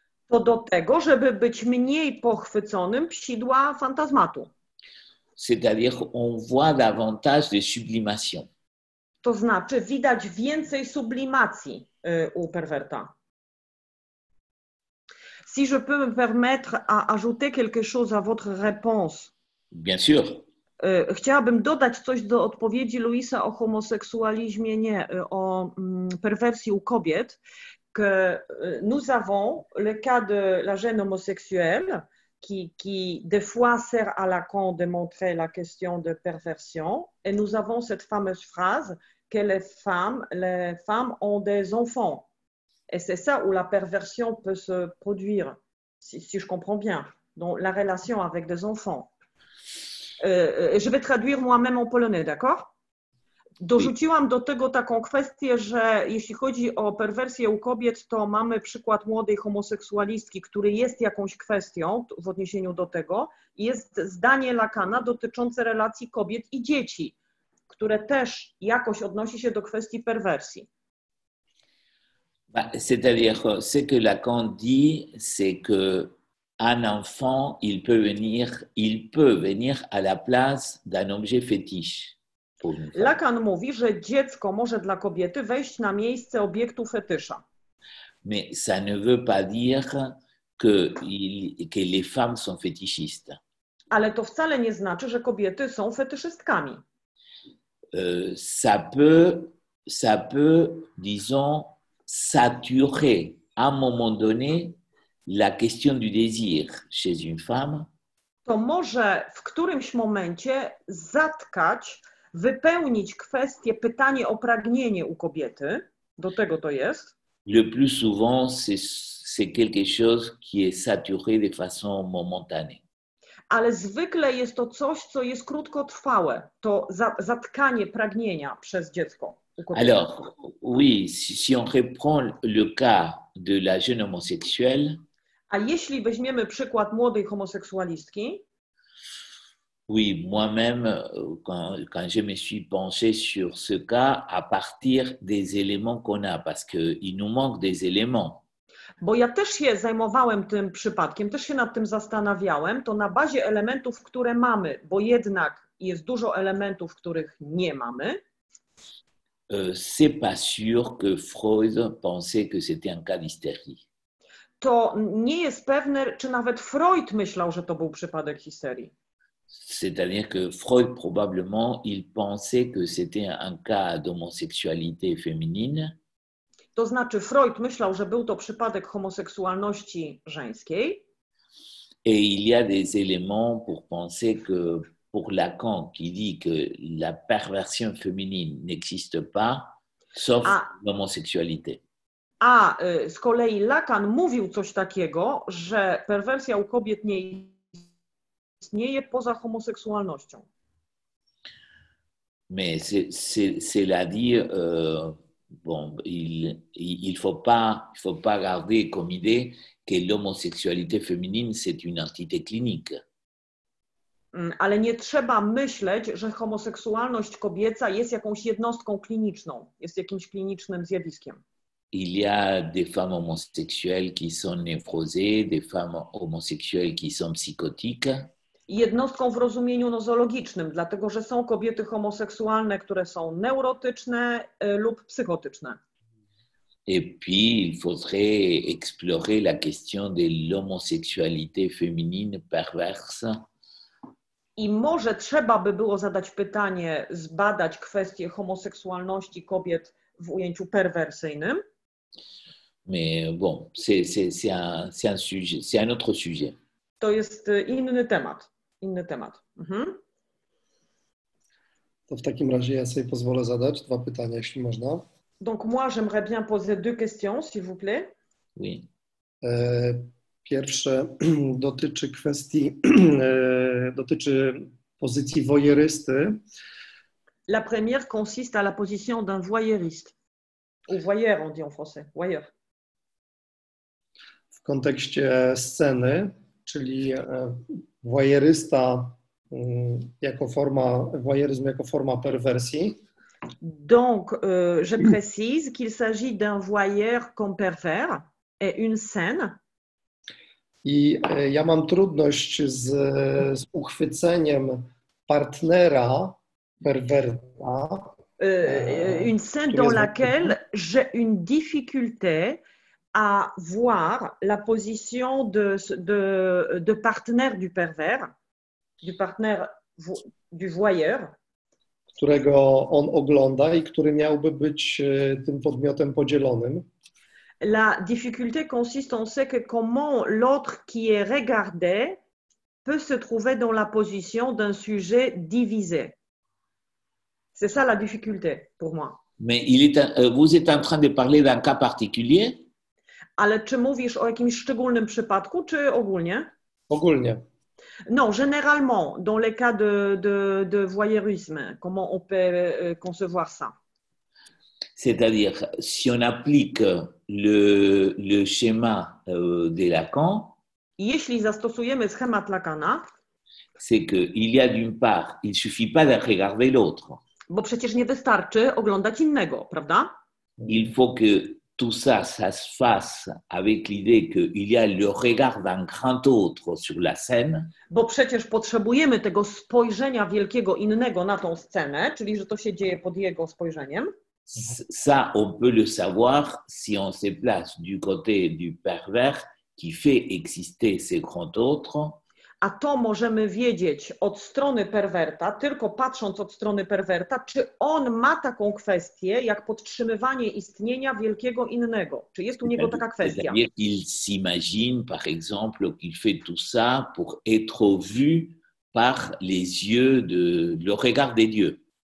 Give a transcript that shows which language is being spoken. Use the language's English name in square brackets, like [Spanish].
[Polish] To do tego, żeby być mniej pochwyconym psidła fantazmatu. [French] C'est-à-dire, on voit davantage de sublimation. [Polish] To znaczy, widać więcej sublimacji u perwerta. [French] Si je peux me permettre à ajouter quelque chose à votre réponse. Bien sûr. [Polish] Chciałabym dodać coś do odpowiedzi Louisa o homoseksualizmie, nie, o perwersji u kobiet. [French] Que nous avons le cas de la gêne homosexuelle qui des fois sert à Lacan de montrer la question de perversion. Et nous avons cette fameuse phrase que les femmes ont des enfants. Et c'est ça où la perversion peut se produire, si je comprends bien, dans la relation avec des enfants. Je vais traduire moi-même en polonais, d'accord? [Polish] Dorzuciłam do tego taką kwestię, że jeśli chodzi o perwersję u kobiet, to mamy przykład młodej homoseksualistki, który jest jakąś kwestią w odniesieniu do tego. Jest zdanie Lacana dotyczące relacji kobiet i dzieci, które też jakoś odnosi się do kwestii perwersji. [French] C'est-à-dire, ce que Lacan dit, c'est que un enfant, il peut venir à la place d'un objet fétiche. [Polish] Lacan mówi, że dziecko może dla kobiety wejść na miejsce obiektu fetysza. [French] Mais ça ne veut pas dire que les femmes sont fétichistes. [Polish] Ale to wcale nie znaczy, że kobiety są fetyszystkami. [French] Ça peut, disons, saturer à un moment donné la question du désir chez une femme. [Polish] To może w którymś momencie zatkać, wypełnić kwestię, pytanie o pragnienie u kobiety. Do tego to jest. [French] Le plus souvent, c'est quelque chose qui est saturé de façon momentanée. [Polish] Ale zwykle jest to coś, co jest krótkotrwałe. To zatkanie pragnienia przez dziecko. [French] Alors, oui, si on reprend le cas de la jeune homosexuelle. [Polish] A jeśli weźmiemy przykład młodej homoseksualistki. [French] Oui, moi-même, quand je me suis penché sur ce cas, à partir des éléments qu'on a, parce qu'il nous manque des éléments. [Polish] Bo ja też się zajmowałem tym przypadkiem, też się nad tym zastanawiałem, to na bazie elementów, które mamy, bo jednak jest dużo elementów, których nie mamy. [French] C'est pas sûr que Freud pensait que c'était un cas d'hystérie. [Polish] To nie jest pewne, czy nawet Freud myślał, że to był przypadek histerii. [French] C'est-à-dire que Freud, probablement, il pensait que c'était un cas d'homosexualité féminine. [Polish] To znaczy, Freud myślał, że był to przypadek homoseksualności żeńskiej. [French] Et il y a des éléments pour penser que pour Lacan, qui dit que la perversion féminine n'existe pas, sauf l'homosexualité. [Polish] A z kolei Lacan mówił coś takiego, że perwersja u kobiet nie istnieje poza homoseksualnością. [French] Mais c'est-à-dire, bon, il faut pas garder comme idée que l'homosexualité féminine, c'est une entité clinique. [Polish] Ale nie trzeba myśleć, że homoseksualność kobieca jest jakąś jednostką kliniczną, jest jakimś klinicznym zjawiskiem. [French] Il y a des femmes homosexuelles qui sont névrosées, des femmes homosexuelles qui sont psychotiques. [Polish] Jednostką w rozumieniu nozologicznym, dlatego że są kobiety homoseksualne, które są neurotyczne lub psychotyczne. [French] Et puis, il faudrait explorer la question de l'homosexualité féminine perverse. [Polish] I może trzeba by było zadać pytanie, zbadać kwestię homoseksualności kobiet w ujęciu perwersyjnym. [French] Mais bon, c'est un sujet, c'est un autre sujet. [Polish] To jest inny temat. Inny temat. To w takim razie ja sobie pozwolę zadać dwa pytania, jeśli można. [French] Donc moi, j'aimerais bien poser deux questions, s'il vous plaît. Oui. [Polish] Pierwsze dotyczy kwestii, dotyczy pozycji wojerysty. [French] La première consiste à la position d'un voyeuriste. Ou voyeur, on dit en français. Voyeur. [Polish] W kontekście sceny, czyli voyeurysta jako forma, voyeurisme jako forma perwersji. [French] Donc, je précise qu'il s'agit d'un voyeur comme pervers et une scène. [Polish] I ja mam trudność z uchwyceniem partnera perwerta, [French] Une scène [Polish] który [French] dans [Polish] jest. [French] laquelle j'ai une difficulté à voir la position de partenaire du pervers, du partenaire du voyeur. [Polish] Którego on ogląda i który miałby być tym podmiotem podzielonym. [French] La difficulté consiste en ce que comment l'autre qui est regardé peut se trouver dans la position d'un sujet divisé. C'est ça la difficulté pour moi. Mais vous êtes en train de parler d'un cas particulier? [Polish] Ale czy mówisz o jakimś szczególnym przypadku, czy ogólnie? Ogólnie. [French] Non, généralement, dans les cas de voyeurisme, comment on peut concevoir ça? C'est-à-dire, si on applique le schéma de Lacan, [Polish] Jeśli zastosujemy schemat Lacana, [French] c'est qu'il y a d'une part, il ne suffit pas de regarder l'autre. [Polish] bo przecież nie wystarczy oglądać innego, prawda? [French] Il faut que tout ça se fasse avec l'idée qu'il y a le regard d'un grand autre sur la scène. [Polish] Bo przecież potrzebujemy tego spojrzenia wielkiego innego na tą scenę, czyli że to się dzieje pod jego spojrzeniem. [French] Ça, on peut le savoir si on se place du côté du pervers qui fait exister ce grand autre. [Polish] A to możemy wiedzieć od strony perwerta, tylko patrząc od strony perwerta, czy on ma taką kwestię, jak podtrzymywanie istnienia wielkiego innego. Czy jest u niego taka kwestia? [French] C'est-à-dire qu'il s'imagine, par exemple, qu'il fait tout ça pour être vu par les yeux de le regard des dieux.